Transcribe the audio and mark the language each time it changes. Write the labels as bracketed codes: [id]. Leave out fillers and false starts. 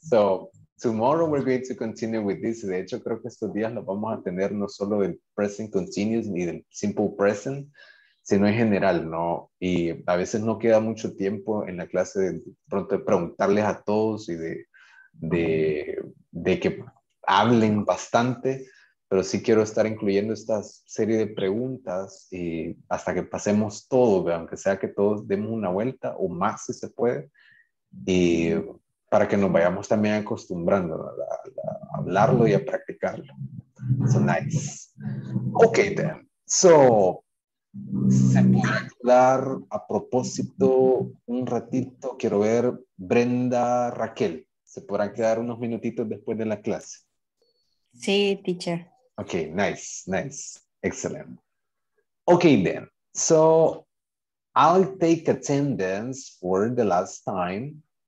[en] So, tomorrow we're going to continue with this. [es] De hecho, creo que estos días lo vamos a tener no solo del present continuous ni del simple present, sino en general, ¿no? Y a veces no queda mucho tiempo en la clase de pronto de preguntarles a todos y de que hablen bastante, pero sí quiero estar incluyendo esta serie de preguntas y hasta que pasemos todo, aunque sea que todos demos una vuelta o más si se puede, y para que nos vayamos también acostumbrando a hablarlo y a practicarlo. [en] So nice. Okay then. [es] So, ¿se puede hablar a propósito un ratito? Quiero ver Brenda, Raquel. ¿Se podrán quedar unos minutitos después de la clase? Sí, teacher. [en] Okay, nice, excellent. Okay then, so I'll take attendance for the last time.